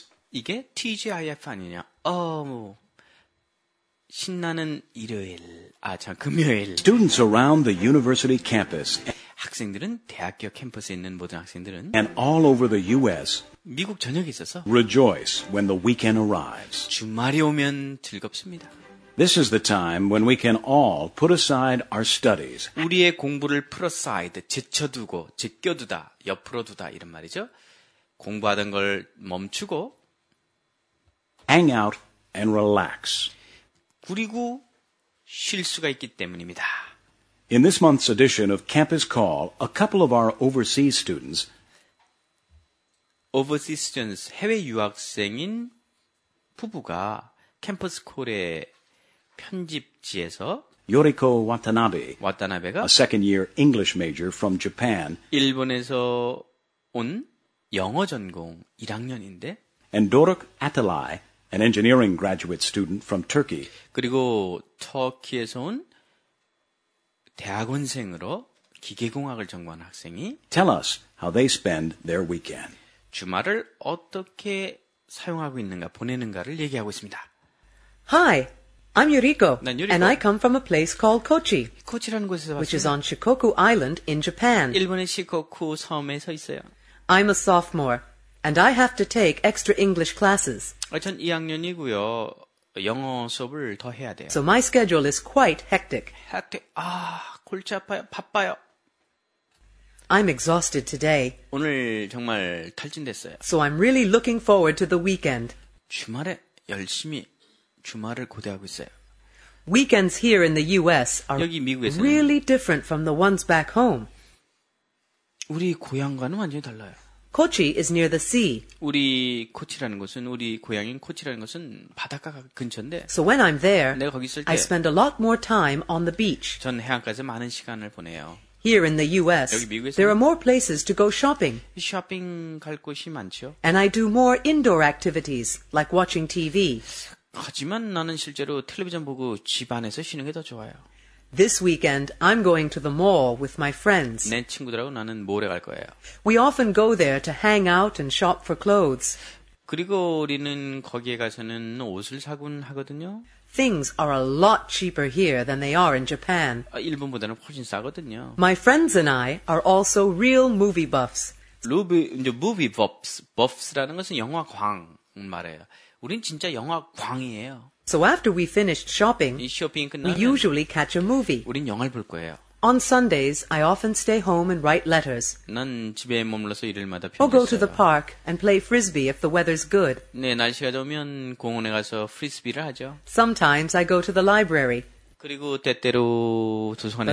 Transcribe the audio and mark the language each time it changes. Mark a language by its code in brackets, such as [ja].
[ko] 이게 TGIF 아니냐? 어머, 신나는 일요일. 아, 참, 금요일. [en] Students around the university campus. [ko] 학생들은 대학교 캠퍼스에 있는 모든 학생들은 [en] and all over the US [ko] 미국 전역에 있어서 [en] rejoice when the weekend arrives [ko] 주말이 오면 즐겁습니다. [en] This is the time when we can all put aside our studies [ko] 우리의 공부를 [en] put aside [ko] 제쳐두고 제껴두다 옆으로 두다 이런 말이죠. 공부하던 걸 멈추고 [en] hang out and relax [ko] 그리고 쉴 수가 있기 때문입니다. [en] In this month's edition of Campus Call, a couple of our overseas students Overseas students, [ko] 해외 유학생인 부부가 Campus Call의 편집지에서 [en] Yoriko Watanabe, [ko] Watanabe가 [en] a second year English major from Japan [ko] 일본에서 온 영어 전공 1학년인데 [en] and Doruk Atalay, an engineering graduate student from Turkey [ko] 그리고 터키에서 온 대학원생으로 기계공학을 전공한 학생이 [en] Tell us how they spend their weekend. [ko] 주말을 어떻게 사용하고 있는가, 보내는가를 얘기하고 있습니다. [en] Hi, I'm Yuriko. [ko] 난 유리코. [en] And I come from a place called Kochi. [ko] 코치라는 곳에서 왔어요. [en] Which is on Shikoku Island in Japan. [ko] 일본의 시코쿠 섬에 서 있어요. [en] I'm a sophomore, and I have to take extra English classes. [ko] 전 2학년이고요. 영어 수업을 더 해야 돼요. [en] So my schedule is quite hectic. Hectic. [ko] 아, 골치 아파요. 바빠요. [en] I'm exhausted today. [ko] 오늘 정말 탈진됐어요. [en] So I'm really looking forward to the weekend. [ko] 주말에 열심히 주말을 고대하고 있어요. [en] Weekends here in the US are [ko] 여기 미국에서는 [en] really different from the ones back home. [ko] 우리 고향과는 완전히 달라요. [en] Kochi is near the sea. [ko] 우리 코치라는 것은 우리 고향인 코치라는 것은 바닷가 근처인데. [en] So when I'm there, [ko] 내가 거기 있을 때, [en] I spend a lot more time on the beach. [ko] 전 해안가에서 많은 시간을 보내요. [en] Here in the U.S., [ko] 여기 미국에서 [en] there are more places to go shopping. [ko] 쇼핑 갈 곳이 많죠. [en] And I do more indoor activities like watching TV. [ko] 하지만 나는 실제로 텔레비전 보고 집 안에서 쉬는 게 더 좋아요. [en] This weekend, I'm going to the mall with my friends. [ko] 내 친구들하고 나는 몰에 갈 거예요. [en] We often go there to hang out and shop for clothes. [ko] 그리고 우리는 거기에 가서는 옷을 사곤 하거든요. [en] Things are a lot cheaper here than they are in Japan. [ko] 일본보다는 훨씬 싸거든요. [en] My friends and I are also real movie buffs. Movie buffs. [ko] Buffs라는 것은 영화광 말이에요. 우린 진짜 영화광이에요. [en] So after we finished shopping, [ko] 쇼핑 끝나면 [en] we usually catch a movie. [ko] 우린 영화를 볼 거예요. [en] On Sundays, I often stay home and write letters. [ko] 난 집에 머물러서 일요일마다 편지 써요. [en] Or go to the park and play frisbee if the weather's good. [ko] 네, 날씨가 좋으면 공원에 가서 프리스비를 하죠. [en] Sometimes I go to the library. [ko] 그리고 때때로 도서관에